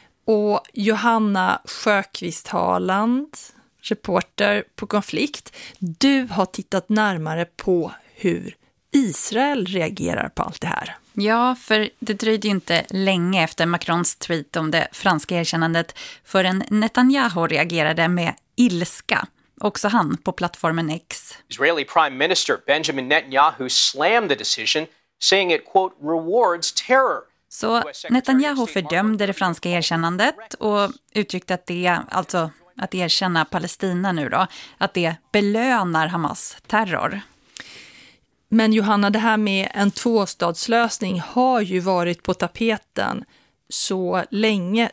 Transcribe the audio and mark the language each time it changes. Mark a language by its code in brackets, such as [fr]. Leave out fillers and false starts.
[sv] Och Johanna Sjöqvist Haaland, reporter på Konflikt, du har tittat närmare på hur Israel reagerar på allt det här. Ja, för det dröjde ju inte länge efter Macrons tweet om det franska erkännandet förrän Netanyahu reagerade med ilska. Också han på plattformen X. [en] Israeli Prime Minister Benjamin Netanyahu slammed the decision, saying it quote rewards terror. [sv] Så Netanyahu fördömde det franska erkännandet och uttryckte att det, alltså att erkänna Palestina nu då, att det belönar Hamas terror. Men Johanna, det här med en tvåstadslösning har ju varit på tapeten så länge.